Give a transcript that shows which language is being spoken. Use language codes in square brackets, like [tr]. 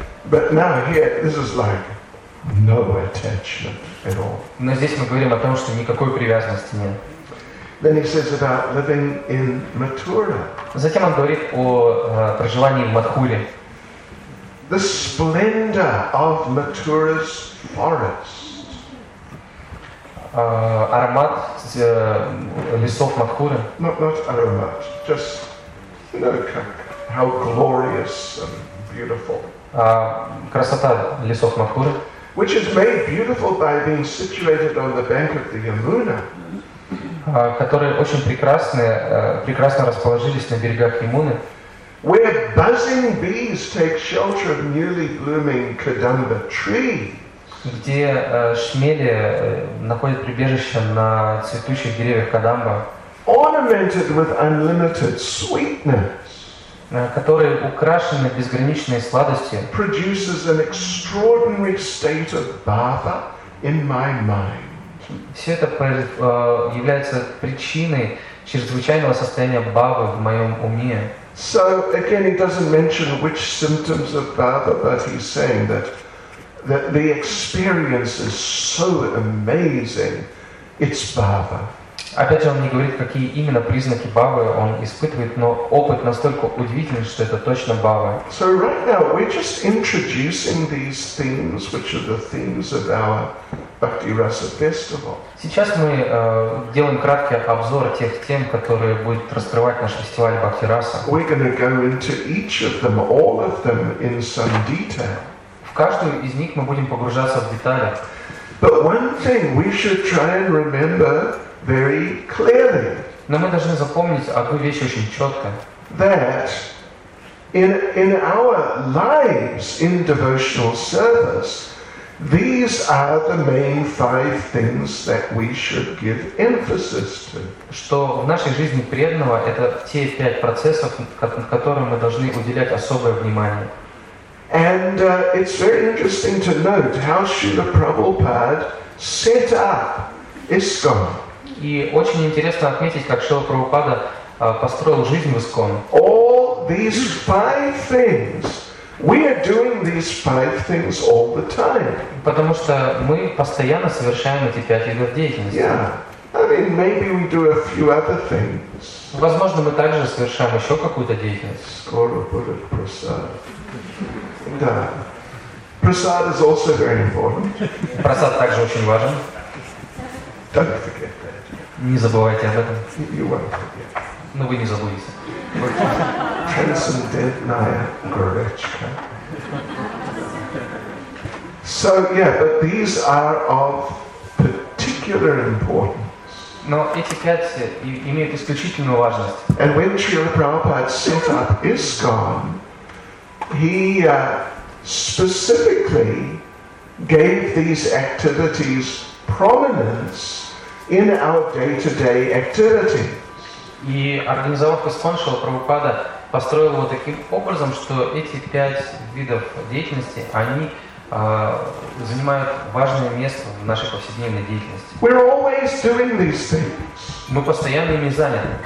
[en] But now here, this is like no attachment at all. [ru] Но здесь мы говорим о том, что никакой привязанности нет. [en] Then he says about living in Mathura. [ru] Затем он говорит о проживании в Матхуре. [en] The splendor of Mathura's forest. [ru] Аромат лесов Матхуры. [en] Not [ru] аромат, [en] just how glorious and beautiful. [ru] Красота лесов Матхуры. [en] Which is made beautiful by being situated on the bank of the Yamuna. [ru] Которые очень прекрасно расположились на берегах Ямуны. [en] Where buzzing bees take shelter of newly blooming kadamba trees. [ru] Где шмели находят прибежище на цветущих деревьях кадамба. [en] Ornamented with unlimited sweetness. [ru] Которые украшены безграничной сладостью. [en] Produces an extraordinary state of bhava in my mind. [ru] Все это является причиной чрезвычайного состояния бхавы в моем уме. [en] So again, he doesn't mention which symptoms of bhava, but he's saying that the experience is so amazing, it's bhava. [ru] Опять же, он не говорит, какие именно признаки бхавы он испытывает, но опыт настолько удивительный, что это точно бхава. [en] So right now we're just introducing these themes, which are the themes of our Bhakti Rasa festival. [ru] Сейчас мы делаем краткий обзор тех тем, которые будет раскрывать наш фестиваль Бхакти Раса. [en] We're going to go into each of them, all of them, in some detail. [ru] В каждую из них мы будем погружаться в детали. [en] But one thing we should try and remember very clearly. [ru] Но мы должны запомнить одну вещь очень четко. [en] That in our lives in devotional service. These are the main five things that we should give emphasis to. [ru] Что в нашей жизни преданного это те пять процессов, которым мы должны уделять особое внимание. [en] And it's very interesting to note how Srila Prabhupada set up ISKCON. [ru] И очень интересно отметить, как Шрила Прабхупада построил жизнь в ISKCON. [en] All these five things. We are doing these five things all the time. [ru] Потому что мы постоянно совершаем эти пять видов деятельности. [en] Yeah. I mean, maybe we do a few other things. [ru] Возможно, мы также совершаем еще какую-то деятельность. Скоро будет просад. Да. [en] Просад is also very important. [ru] Просад также очень важен. [en] Don't forget that. [ru] Не забывайте об этом. [en] You won't forget. [ru] Но вы не забудете. Transcendentная горечка. [en] So yeah, but these are of particular importance. [ru] Но эти пять имеют исключительную важность. [en] And when Srila Prabhupada set up ISKCON, he specifically gave these activities prominence in our day-to-day activity. [ru] И организовав ISKCON, Шрила Прабхупада построил его таким образом, что эти пять видов деятельности, они занимают важное место в нашей повседневной деятельности. [en] We're always doing these things. [ru] Мы постоянно ими заняты.